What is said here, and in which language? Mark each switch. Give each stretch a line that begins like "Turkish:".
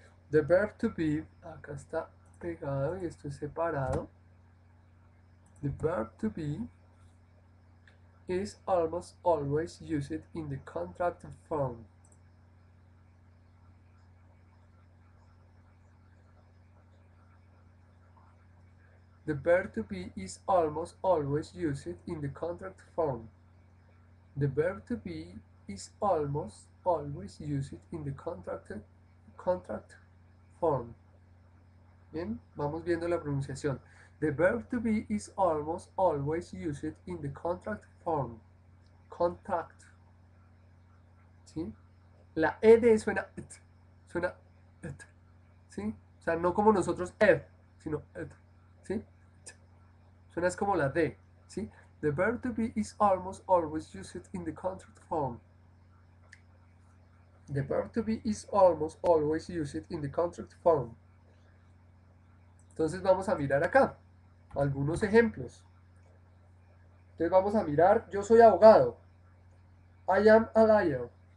English: The verb to be,
Spanish: acá está pegado y esto es separado.
English: The verb to be is almost always used in the contracted form. The verb to be is almost always used in the contract form. The verb to be is almost always used in the contract form.
Spanish: Bien, vamos viendo la pronunciación.
English: The verb to be is almost always used in the contract form.
Spanish: Contract. ¿Sí? La ED suena et. Suena et. ¿Sí? O sea, no como nosotros F, sino et. ¿Sí? Suena como la D, ¿sí?
English: The verb to be is almost always used in the contract form. The verb to be is almost always used in the contract form.
Spanish: Entonces vamos a mirar acá algunos ejemplos. Entonces vamos a mirar, yo soy abogado.
English: I am a lawyer.